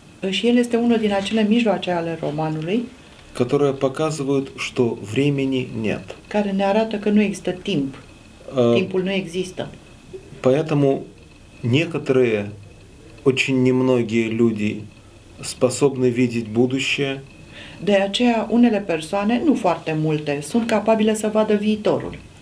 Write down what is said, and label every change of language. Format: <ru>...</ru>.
<ro>Și el este unul din acele mijloace ale romanului.</ro> <ru>Которые показывают, что времени нет.</ru> <ro>Care ne arată că nu există timp. Timpul nu există.</ro> <ru>Поэтому некоторые очень немногие люди способны видеть будущее.</ru> <ro>De aceea unele persoane, nu foarte multe, sunt capabile să vadă viitorul.</ro>